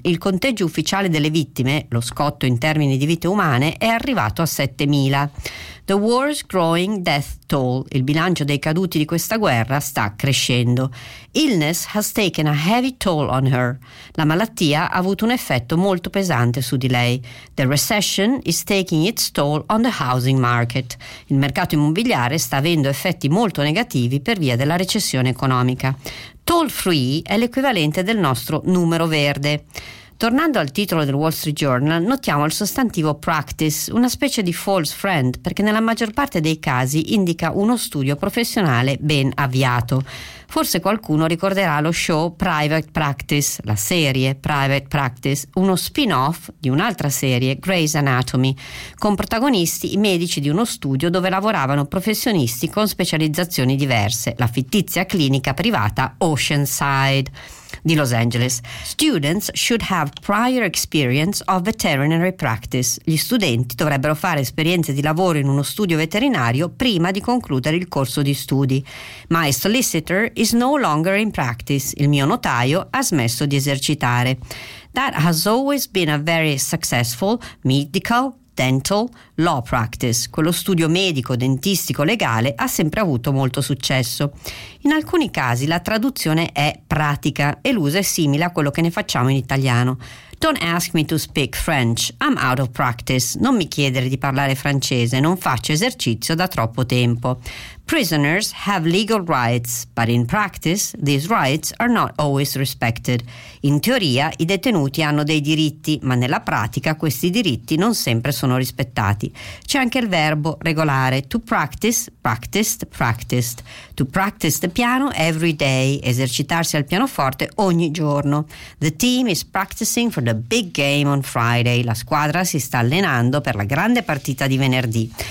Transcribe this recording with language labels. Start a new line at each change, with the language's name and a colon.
Italian: Il conteggio ufficiale delle vittime, lo scotto in termini di vite umane, è arrivato a 7,000.
English: The war's growing death toll,
Italian: il bilancio dei caduti di questa guerra sta crescendo.
English: Illness has taken a heavy toll on her.
Italian: La malattia ha avuto un effetto molto pesante su di lei.
English: The recession is taking its toll on the housing market.
Italian: Il mercato immobiliare sta avendo effetti molto negativi per via della recessione economica. Toll free è l'equivalente del nostro numero verde. Tornando al titolo del Wall Street Journal, notiamo il sostantivo practice, una specie di false friend, perché nella maggior parte dei casi indica uno studio professionale ben avviato. Forse qualcuno ricorderà lo show Private Practice, la serie Private Practice, uno spin-off di un'altra serie, Grey's Anatomy, con protagonisti i medici di uno studio dove lavoravano professionisti con specializzazioni diverse, la fittizia clinica privata Oceanside di Los Angeles.
English: Students should have prior experience of veterinary practice.
Italian: Gli studenti dovrebbero fare esperienze di lavoro in uno studio veterinario prima di concludere il corso di studi.
English: My solicitor is no longer in practice.
Italian: Il mio notaio ha smesso di esercitare.
English: That has always been a very successful medical dental law practice.
Italian: Quello studio medico dentistico legale ha sempre avuto molto successo. In alcuni casi la traduzione è pratica e l'uso è simile a quello che ne facciamo in italiano.
English: Don't ask me to speak French. I'm out of practice.
Italian: Non mi chiedere di parlare francese, non faccio esercizio da troppo tempo.
English: Prisoners have legal rights, but in practice these rights are not always respected.
Italian: In teoria i detenuti hanno dei diritti, ma nella pratica questi diritti non sempre sono rispettati. C'è anche il verbo regolare, to practice, practiced, practiced.
English: To practice the piano every day,
Italian: esercitarsi al pianoforte ogni giorno.
English: The team is practicing for the big game on Friday.
Italian: La squadra si sta allenando per la grande partita di venerdì.